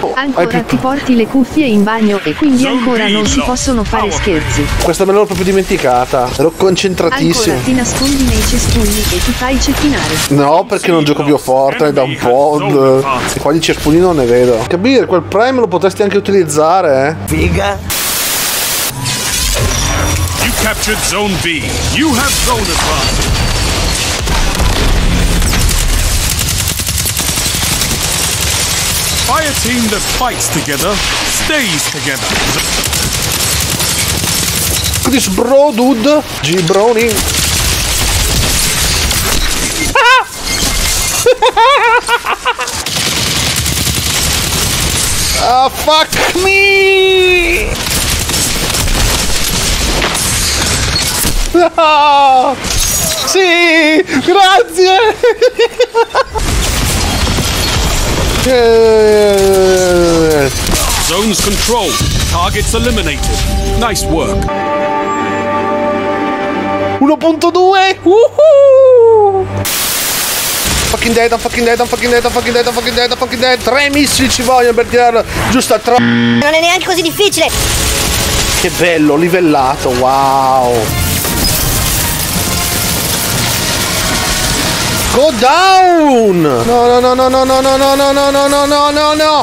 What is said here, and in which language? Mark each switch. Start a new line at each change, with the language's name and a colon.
Italian: Ancora ti porti le cuffie in bagno e quindi ancora non si possono fare scherzi. Questa me l'ho proprio dimenticata. Ero concentratissimo. Ancora ti nascondi nei cespugli e ti fai cecchinare. No, perché non gioco più a Fortnite da un po'. E qua di cespugli non ne vedo. Capire, quel prime lo potresti anche utilizzare, eh? Figa.
English: Captured zone B. You have zone advantage. Fire team that fights together stays together. Chris bro, dude. G Brownie. Ah, fuck me.
Italian: No! Sì! Grazie!
English: Zones controlled. Targets eliminated. Nice work. 1.2! Woohoo! Fucking dead, I'm fucking dead, I'm fucking dead, I'm fucking dead, I'm fucking dead, I'm fucking dead.
Italian: Tre missili ci vogliono per tirare giusta tra. Non è neanche così difficile! Che bello, livellato, wow!
English: Go down! No, no, no, no, no, no, no, no, no, no, no, no, no, no, no!